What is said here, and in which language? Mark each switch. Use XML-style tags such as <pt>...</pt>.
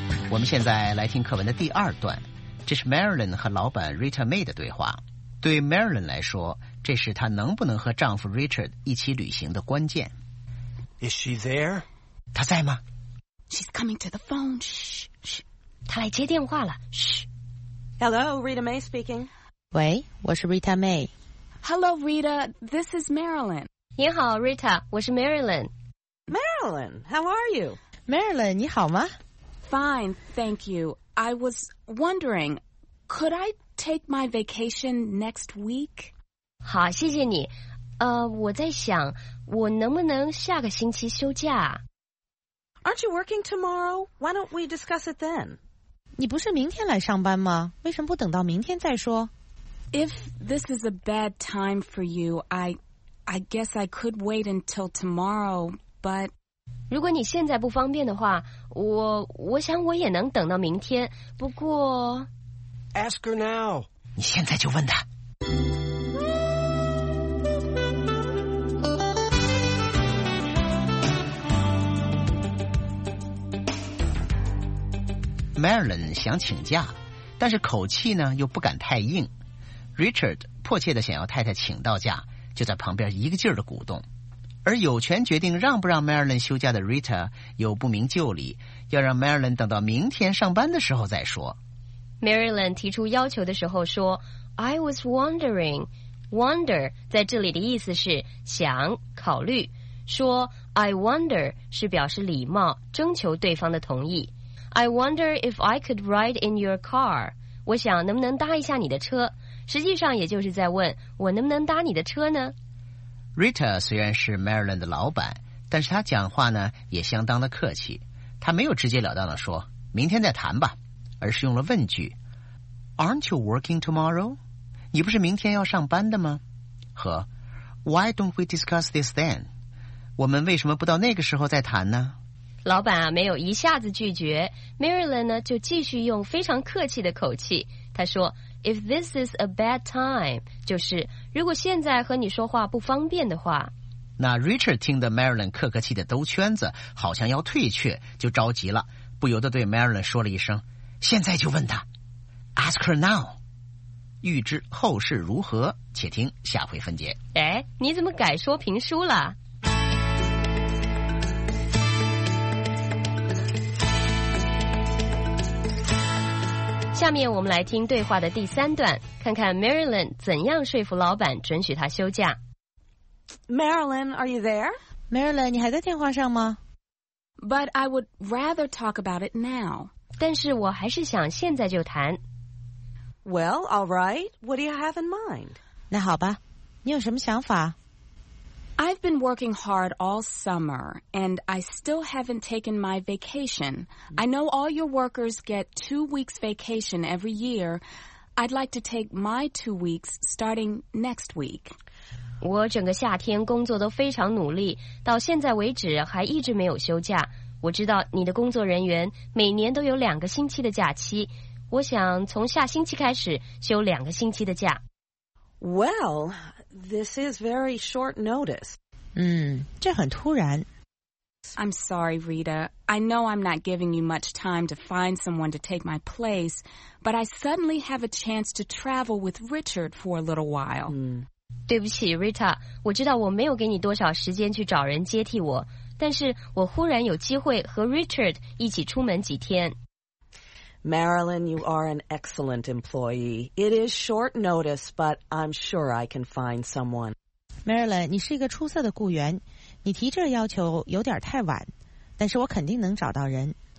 <zh>我们现在来听课文的第二段，这是 Marilyn 和老板 Rita May 的对话。对 Marilyn 来说，这是她能不能和丈夫 Richard 一起旅行的关键。</zh> <en>Is she there?</en> <zh>她在吗</zh> <en>？She's coming to the phone. Shh, shh.</en> <zh>他来接电话了。嘘。</zh> <en>Hello, Rita May speaking.</en> <zh>喂，我是 Rita May.</zh> <en>Hello, Rita. This is Marilyn.</en> <zh>你好 ，Rita， 我是 Marilyn.</zh> <en>Marilyn, how are you?</en> <zh>Marilyn, 你好吗</zh> <en>？Fine, thank you. I was wondering, could I take my vacation next week?</en> <zh>好，谢谢你。我在想，我能不能下个星期休假？</zh> <en>Aren't you working tomorrow? Why don't we discuss it then?</en> <zh>你不是明天来上班吗？为什么不等到明天再说</zh> <en>？If this is a bad time for you, I guess I could wait until tomorrow. But</en> <zh>如果你现在不方便的话，我想我也能等到明天。不过</zh> <en>，Ask her now.</en> <zh>你现在就问她。 Marilyn 想请假，但是口气呢又不敢太硬。 Richard 迫切地想要太太请到假，就在旁边一个劲儿地鼓动。而有权决定让不让 Marilyn 休假的 Rita 又不明就里，要让 Marilyn 等到明天上班的时候再说。 Marilyn 提出要求的时候说 ：</zh> <en>“I was wondering,</en> <zh>wonder 在这里的意思是想考虑。说</zh> <en>I wonder</en> <zh>是表示礼貌，征求对方的同意。”</zh> <en>I wonder if I could ride in your car.</en> <zh>我想能不能搭一下你的车，实际上也就是在问我能不能搭你的车呢。 Rita 虽然是 Marilyn 的老板，但是她讲话呢也相当的客气。她没有直截了当的说明天再谈吧，而是用了问句</zh> <en>Aren't you working tomorrow?</en> <zh>你不是明天要上班的吗？</zh> <en>和 Why don't we discuss this then?</en> <zh>我们为什么不到那个时候再谈呢？老板啊，没有一下子拒绝 ，Marilyn 呢就继续用非常客气的口气，他说 ：</zh> <en>“If this is a bad time，</en> <zh>就是如果现在和你说话不方便的话。” 那 Richard 听得 Marilyn 客客气的兜圈子，好像要退却，就着急了，不由得对 Marilyn 说了一声：“现在就问他 ，</zh> <en>Ask her now。”</en> <zh>预知后事如何，且听下回分解。哎，你怎么改说评书了？下面我们来听对话的第三段，看看 Marilyn 怎样说服老板准许她休假。</zh> <en>Marilyn, are you there?</en> <zh>Marilyn, 你还在电话上吗？</zh> <en>But I would rather talk about it now.</en> <zh>但是我还是想现在就谈。</zh> <en>Well, all right. What do you have in mind?</en> <zh>那好吧，你有什么想法？</zh> <en>I've been working hard all summer, and I still haven't taken my vacation. I know all your workers get 2 weeks vacation every year. I'd like to take my 2 weeks starting next week.</en> <zh>我整个夏天工作都非常努力，到现在为止还一直没有休假。我知道你的工作人员每年都有两个星期的假期，我想从下星期开始休两个星期的假。</zh> <en>Well, this is very short notice.</en> <zh>这很突然。</zh> <en>I'm sorry, Rita. I know I'm not giving you much time to find someone to take my place, but I suddenly have a chance to travel with Richard for a little while.</en> <zh>对不起 ，Rita， 我知道我没有给你多少时间去找人接替我，但是我忽然有机会和 Richard 一起出门几天。</zh> <en>Marilyn, you are an excellent employee. It is short notice, but I'm sure I can find someone.</en> <zh>Marilyn, 你是一个出色的雇员，你提这要求有点太晚，但是我肯定能找到人。</zh>